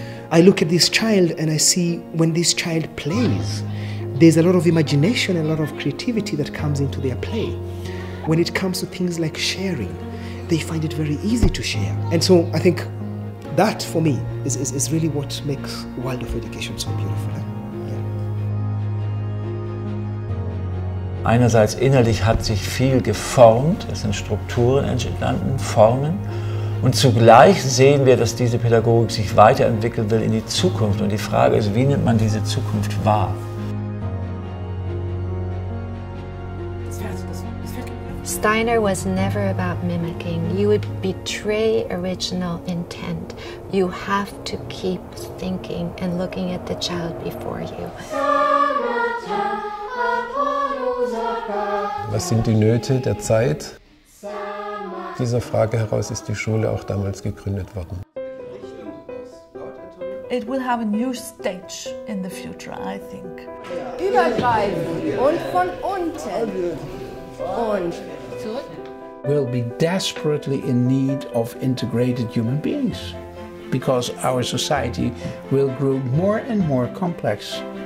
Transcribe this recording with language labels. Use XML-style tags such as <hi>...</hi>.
<en>I look at this child and I see when this child plays, there's a lot of imagination and a lot of creativity that comes into their play. When it comes to things like sharing, they find it very easy to share. And so I think that, for me, is really what makes Waldorf education so beautiful. Yeah.</en> <de>Einerseits innerlich hat sich viel geformt, es sind Strukturen entstanden, Formen. Und zugleich sehen wir, dass diese Pädagogik sich weiterentwickeln will in die Zukunft. Und die Frage ist, wie nimmt man diese Zukunft wahr?</de> <en>Steiner was never about mimicking. You would betray original intent. You have to keep thinking and looking at the child before you.</en> <de>Was sind die Nöte der Zeit? Dieser Frage heraus ist die Schule auch damals gegründet worden.</de> <en>It will have a new stage in the future, I think.</en> <de>Übergreifen und von unten und</de> <en>we'll be desperately in need of integrated human beings because our society will grow more and more complex.</en>